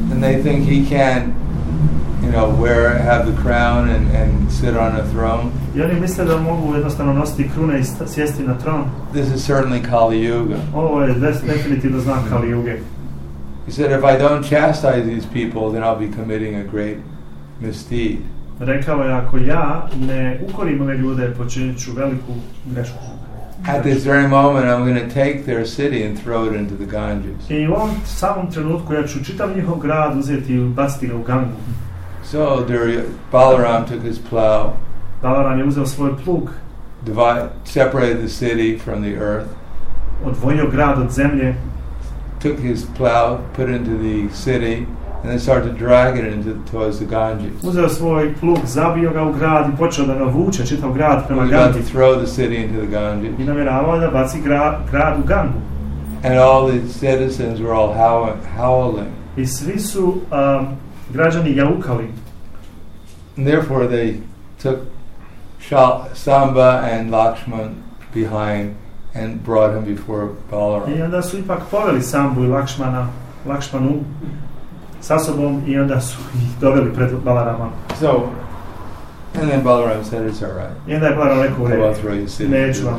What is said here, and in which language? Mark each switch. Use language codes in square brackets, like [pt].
[en] And they think he can, you know, wear, have the crown and sit on a throne. [hr] I oni misle da mogu jednostavno nositi krune i sjesti na tron. [en] This is certainly Kali Yuga. [hr] Ovo je definitivno znak Kali Yuge. [en] He said, if I don't chastise these people, then I'll be committing a great misdeed. [hr] Rekao je, ako ja ne ukorim ove ljude, počinit ću veliku grešku. [en] At this very moment, I'm going to take their city and throw it into the Ganges. [hr] I u ovom samom trenutku ja ću čitav njihov grad uzeti i baciti ga u Gangu. [en] So Balaram took his plow. [hr] Balaram je uzeo svoj plug. [en] Separated the city from the earth. [hr] Odvojio grad od zemlje. [en] Took his plow, put it into the city, and then started to drag it into towards the Ganges. [hr] Uzeo svoj plug, zabio ga u grad i počeo da ga vuče čitav grad prema Gangi. [en] About to throw the city into the Ganges. [hr] I namjeravao da baci grad u Gangu. [en] And all the citizens were all howling. [hr] I svi su građani jaukali. [en] And therefore they took Samba and Lakshman behind and brought him before Balaram. [hr] I onda su ipak poveli Sambu i Lakshmanu sa sobom i onda su ih doveli pred Balarama. [en] So, and then Balaram said, it's all right. [hr] I onda je Balaram rekao, neću vam